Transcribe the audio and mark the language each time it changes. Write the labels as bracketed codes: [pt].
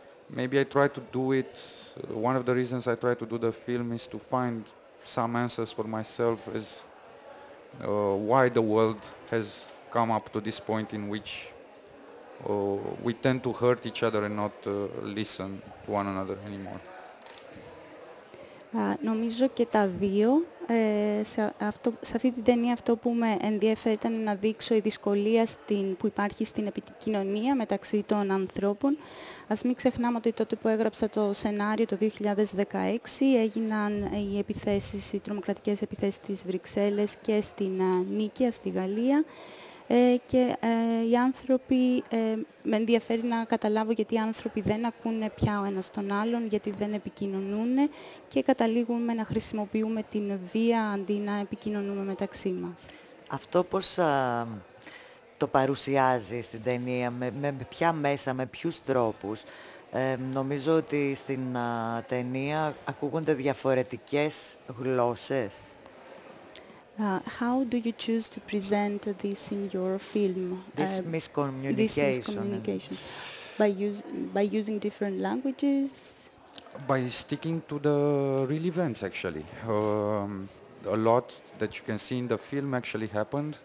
[en] Maybe I try to do it. One of the reasons I try to do the film is to find some answers for myself as why the world has come up to this point in which we tend to hurt each other and not listen to one another anymore. [el] Νομίζω και τα δύο. Σε αυτή την ταινία αυτό που με ενδιαφέρει ήταν να δείξω η δυσκολία που υπάρχει στην επικοινωνία μεταξύ των ανθρώπων. Ας μην ξεχνάμε ότι τότε που έγραψα το σενάριο το 2016 έγιναν οι τρομοκρατικές επιθέσεις στις Βρυξέλλες και στην Νίκαια, στη Γαλλία. Και οι άνθρωποι, με ενδιαφέρει να καταλάβω γιατί οι άνθρωποι δεν ακούνε πια ο ένας τον άλλον, γιατί δεν επικοινωνούν και καταλήγουμε να χρησιμοποιούμε την βία αντί να επικοινωνούμε μεταξύ μας. Αυτό πώς το παρουσιάζει στην ταινία, με ποια μέσα, με ποιους τρόπους. Νομίζω ότι στην ταινία ακούγονται διαφορετικές γλώσσες. [en] How do you choose to present this in your film? This miscommunication. By using different languages? By sticking to the real events, actually. A lot that you can see in the film actually happened.